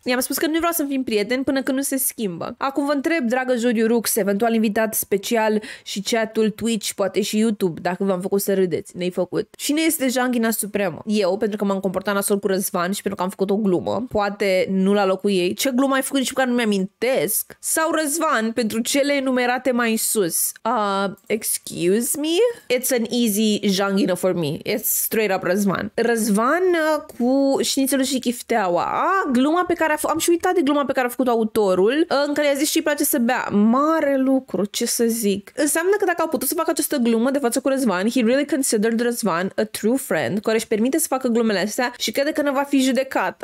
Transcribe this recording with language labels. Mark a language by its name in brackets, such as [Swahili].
[Romanian] I-am spus că nu vreau să fim prieteni până când nu se schimbă. Acum vă întreb, dragă Juriu Rux, eventual invitat special și chatul Twitch, poate și YouTube, dacă v-am făcut să râdeți. Ne-ai făcut. Cine este janghina supremă? Eu, pentru că m-am comportat nasol cu Răzvan și pentru că am făcut o glumă. Poate nu la locul ei. Ce glumă ai făcut nici măcar nu mi-amintesc? Sau Răzvan pentru cele enumerate mai sus? [English] Excuse me? It's an easy janghina for me. It's straight up Răzvan. [Romanian] Răzvan cu șnițelul și chifteaua. Ah, gluma pe care am și uitat de gluma pe care a făcut autorul, în care i-a zis și îi place să bea. Mare lucru, ce să zic. Înseamnă că dacă au putut să facă această glumă de față cu Răzvan, [English] he really considered Răzvan a true friend, [Romanian] care își permite să facă glumele astea și crede că nu va fi judecat.